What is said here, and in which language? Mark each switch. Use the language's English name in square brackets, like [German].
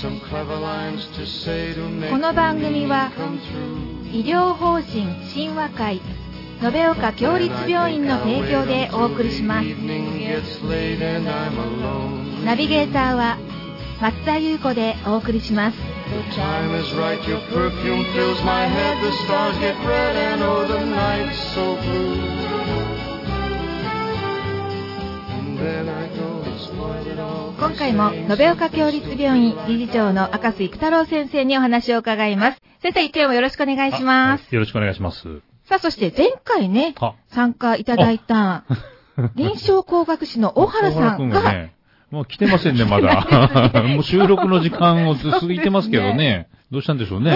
[Japanese] この番組は医療法人親和会延岡共立病院の提供でお送りします。ナビゲーターは松田優子でお送りします。 [English] The time is right, your perfume fills my head, the stars get red and oh the night's so blue. And then I go and spoil it all. [Japanese] 今回も延岡共立病院理事長の赤須育太郎先生にお話を伺います。先生、今日もよろしくお願いします。はい、よろしくお願いします。さあ、そして前回ね、参加いただいた臨床工学士の大原さんが、ね、もう来てませんね、まだ。もう収録の時間を過ぎてますけどね。どうしたんでしょうね。